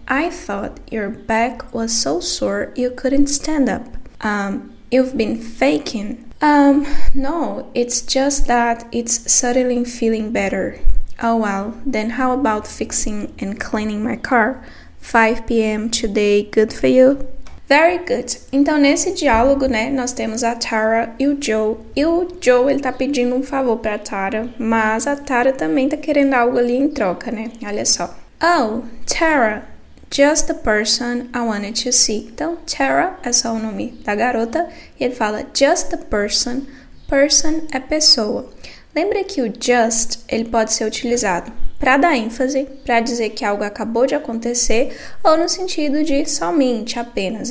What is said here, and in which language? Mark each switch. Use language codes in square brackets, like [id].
[en] I thought your back was so sore you couldn't stand up. You've been faking. No, it's just that it's suddenly feeling better. Oh well, then how about fixing and cleaning my car? 5 p.m. today, good for you? Very good. [pt] Então, nesse diálogo, né, nós temos a Tara e o Joe. E o Joe, ele tá pedindo um favor pra Tara, mas a Tara também tá querendo algo ali em troca, né? Olha só. [en] Oh, Tara, just the person I wanted to see. [pt] Então, Tara é só o nome da garota. E ele fala, [en] just the person. [pt] Person é pessoa. Lembra que o just, ele pode ser utilizado para dar ênfase, para dizer que algo acabou de acontecer, ou no sentido de somente, apenas.